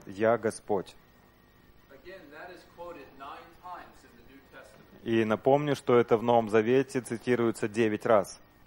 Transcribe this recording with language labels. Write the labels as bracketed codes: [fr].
[ru] Я Господь». [en] Again, that is quoted 9 times in the New Testament. [ru] И напомню, что это в Новом Завете цитируется 9 раз.